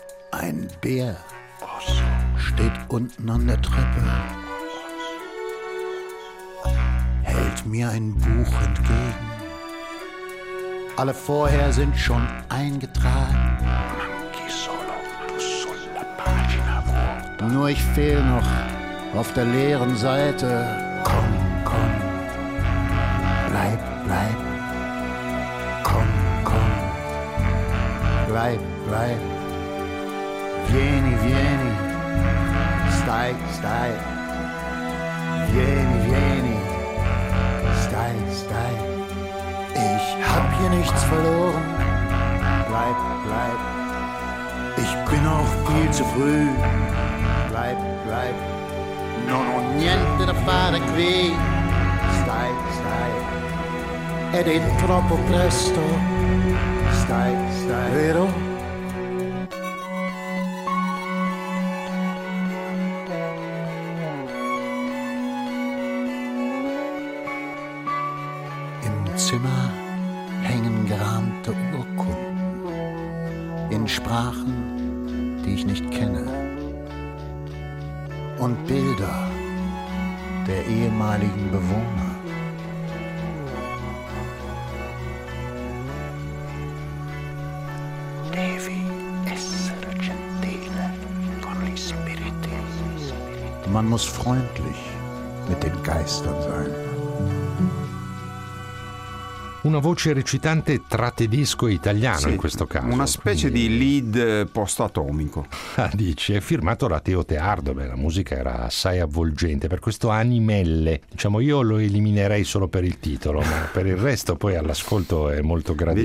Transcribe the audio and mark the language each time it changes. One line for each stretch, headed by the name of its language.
German: Ein Bär steht unten an der Treppe, hält mir ein Buch entgegen. Alle vorher sind schon eingetragen.
Italian: Manchi solo sulla pagina vuota.
German: Nur ich fehl noch auf der leeren Seite. Komm, komm, bleib, bleib. Komm, komm, bleib, bleib.
Italian: Vieni, vieni, stai, stai. Vieni, vieni, stai, stai.
German: Ich hab hier nichts verloren. Bleib, bleib. Ich bin auch viel zu früh. Bleib, bleib.
Italian: Non ho niente da fare qui. Stai, stai. ed è troppo presto. Stai, stai, vero?
German: Im Zimmer hängen gerahmte Urkunden in Sprachen, die ich nicht kenne, und Bilder der ehemaligen Bewohner.
Italian: Devi essere gentile con gli spiriti.
German: Man muss freundlich mit den Geistern sein.
Italian: Una voce recitante tra tedesco e italiano, sì, in questo caso. Una specie quindi... di lead post-atomico. Ah, dici, è firmato da Teo Teardo, beh, la musica era assai avvolgente, per questo animelle, diciamo, io lo eliminerei solo per il titolo, ma per il resto poi all'ascolto è molto gradevole.